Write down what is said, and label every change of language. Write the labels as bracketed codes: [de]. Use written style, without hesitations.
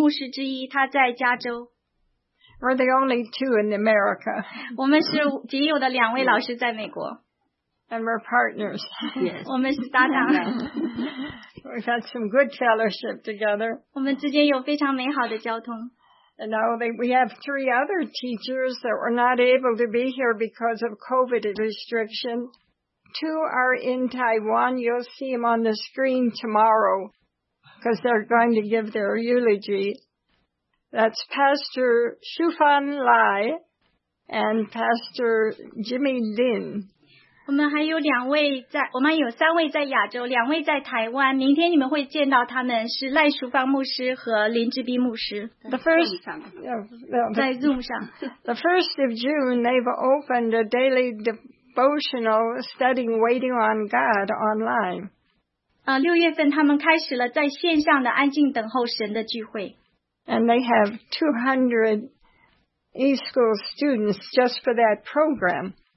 [zh] 郭牧师是我们的老师和牧师之一，他在加州。 [en] We're the only two in America. [zh] 我们是仅有的两位老师在美国。 [en] And we're partners. Yes. [zh] 我们是搭档。 [en] We've had some good fellowship together. [zh] 我们之间有非常美好的交通。 [en] And now we have 3 other teachers that were not able to be here because of COVID restriction. 2 are in Taiwan. You'll see them on the screen tomorrow because they're going to give their eulogy. That's Pastor Shufan Lai and Pastor Jimmy Lin. [zh] 我们有三位在亚洲，两位在台湾。明天你们会见到他们是赖淑芳牧师和林志斌牧师。 [en] The first, yeah, [zh] 在Zoom上。 [en] The first of June, they've opened a daily devotional studying Waiting on God online. [zh] 6月份他们开始了在线上的安静等候神的聚会。 [en] And they have 200 e-school students just for that program.